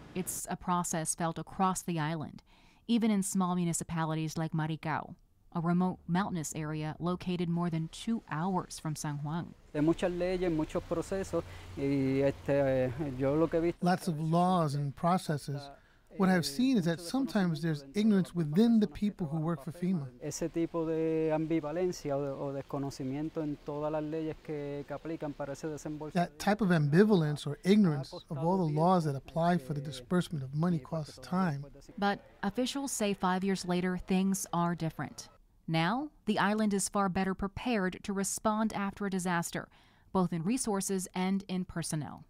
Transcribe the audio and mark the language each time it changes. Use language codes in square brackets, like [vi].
[en] It's a process felt across the island, even in small municipalities like Maricao, a remote mountainous area located more than 2 hours from San Juan. Lots of laws and processes. What I've seen is that sometimes there's ignorance within the people who work for FEMA. [es] Ese tipo de ambivalencia o desconocimiento en todas las leyes que aplican para ese desembolso. [en] That type of ambivalence or ignorance of all the laws that apply for the disbursement of money costs time. But officials say 5 years later, things are different. Now, the island is far better prepared to respond after a disaster, both in resources and in personnel.